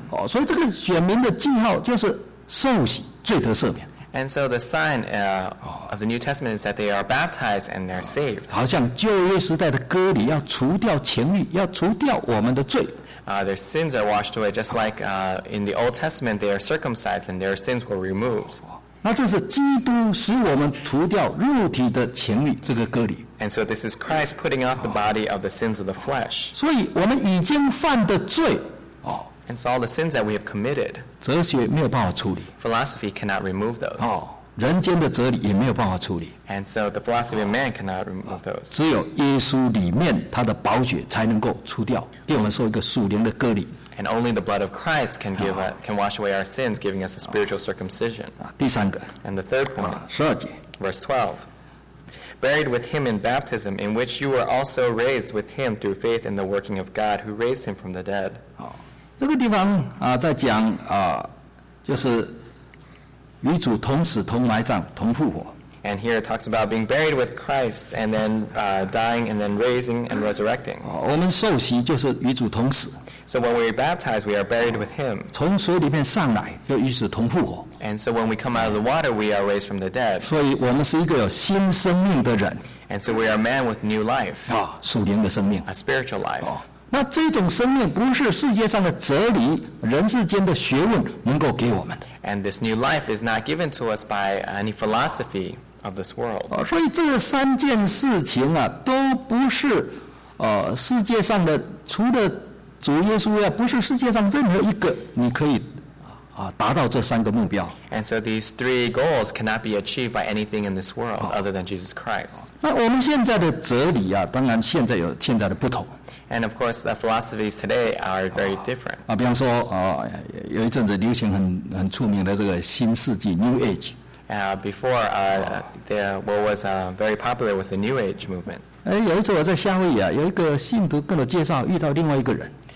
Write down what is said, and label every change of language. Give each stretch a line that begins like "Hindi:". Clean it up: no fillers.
Chinese: 哦，所以这个选民的记号就是受洗，罪得赦免。
English: And so the sign of the New Testament is that they are baptized and they're saved.
Chinese: 好像旧约时代的割礼要除掉情欲，要除掉我们的罪。
English: Their sins are washed away, just like in the Old Testament, they are circumcised and their sins were removed.
Chinese: 那这是基督使我们除掉肉体的情欲，这个割礼。
English: And so this is Christ putting off the body of the sins of the flesh.
Chinese: 所以我们已经犯的罪。
English: And so all the sins that we have committed,
Chinese: 哲学没有办法处理。
English: Philosophy cannot remove those.
Chinese: 人间的哲理也没有办法处理。
English: And so the philosophy of man cannot remove those.
Chinese: 只有耶稣里面他的宝血才能够除掉，给我们受一个属灵的割礼。
English: And only the blood of Christ can give can wash away our sins, giving us a spiritual circumcision.
Chinese: 第三个。
English: And the third point.
Chinese: 十二节。
English: Verse 12. Buried with him in baptism, in which you were also raised with him through faith in the working of God who raised him from the dead.
Chinese: 这个地方在讲就是与主同死同埋葬同复活。
English: And here it talks about being buried with Christ and then dying and then raising and resurrecting.
Chinese: 我们受洗就是与主同死。
English: So when we are baptized, we are buried with him.
Chinese: 从水里面上来，就与主同复活。
English: And so when we come out of the water, we are raised from the dead.
Chinese: 所以我们是一个有新生命的人。
English: And so we are a man with new life.
Chinese: 属灵的生命。
English: A spiritual life.
Chinese: 那这种生命不是世界上的哲理、人世间的学问能够给我们的。
English: And this new life is not given to us by any philosophy of this world.
Chinese: 所以这三件事情都不是世界上的，除了主耶稣不是世界上任何一个你可以达到这三个目标。
English: And so these three goals cannot be achieved by anything in this world other than Jesus Christ.
Chinese: 那我们现在的哲理当然现在有现在的不同。
English: And of course, the philosophies today are very different.
Chinese: 比方说有一阵子流行很出名的这个新世纪 New Age.
English: Before, what was very popular was the New Age movement.
Chinese: 有一次我在夏威夷有一个信徒跟我介绍遇到另外一个人。